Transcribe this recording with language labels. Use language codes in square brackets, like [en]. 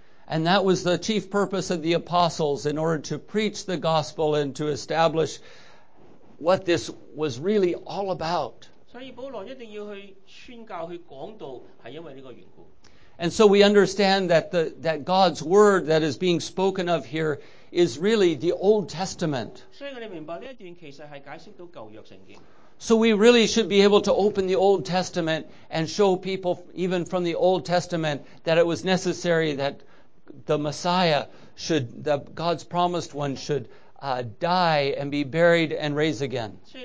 [en] And that was the chief purpose of the apostles, in order to preach the gospel and to establish what this was really all about. [zh] 所以保罗一定要去宣教、去讲道，是因为这个缘故。 [en] And so we understand that that God's word that is being spoken of here is really the Old Testament. So we really should be able to open the Old Testament and show people, even from the Old Testament, that it was necessary that the Messiah should, that God's promised one should die and be buried and raised again.